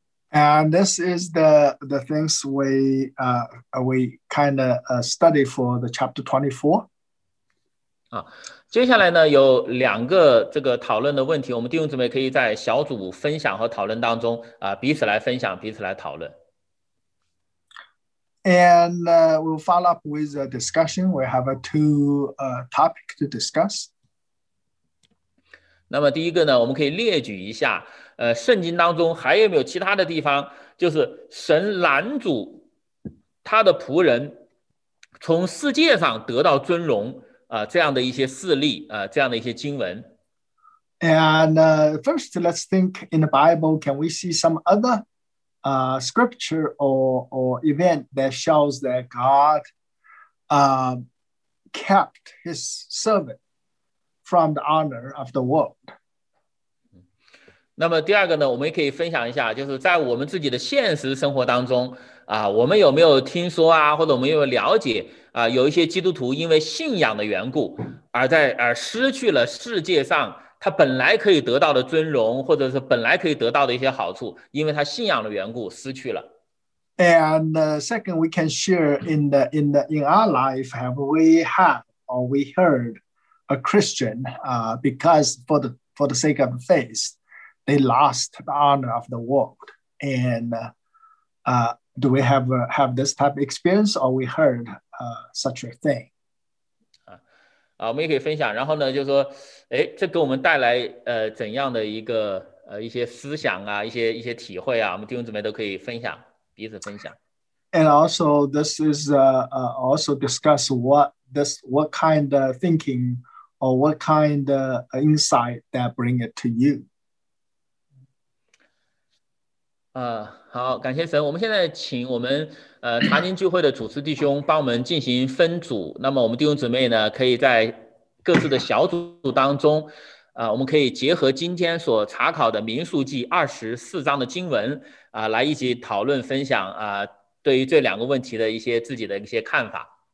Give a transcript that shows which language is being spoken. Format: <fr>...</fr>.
<en>And this is the things we kind of study for the chapter 24.</en> <zh>接下来呢有两个这个讨论的问题，我们弟兄姊妹可以在小组分享和讨论当中彼此来分享，彼此来讨论。</zh> <en>And we'll follow up with a discussion. We have two topics to discuss.</en> <zh>那么第一个呢，我们可以列举一下。圣经当中还有没有其他的地方，就是神拦阻他的仆人从世界上得到尊荣这样的一些事例这样的一些经文。</zh> <en>And first, let's think in the Bible, can we see some other scripture or event that shows that God kept his servant from the honor of the world?</en> <zh>那么第二个呢，我们也可以分享一下，就是在我们自己的现实生活当中我们有没有听说啊，或者我们有没有了解有一些基督徒因为信仰的缘故而失去了世界上他本来可以得到的尊荣，或者是本来可以得到的一些好处，因为他信仰的缘故失去了。</zh> <en>And second, we can share in our life, have we had or we heard a Christian because for the sake of faith. They lost the honor of the world. And do we have this type of experience or we heard such a thing?</en> <zh>我们也可以分享，然后呢就是说这给我们带来怎样的一个一些思想啊，一些体会啊，我们弟兄姊妹都可以分享，彼此分享。</zh> <en>And also this is also discuss what kind of thinking or what kind of insight that bring it to you.</en> <zh>好，感谢神。我们现在请我们查经聚会的主持弟兄帮我们进行分组。那么我们弟兄姊妹呢，可以在各自的小组当中，我们可以结合今天所查考的民数记24章的经文来一起讨论分享对于这两个问题的一些自己的一些看法。</zh>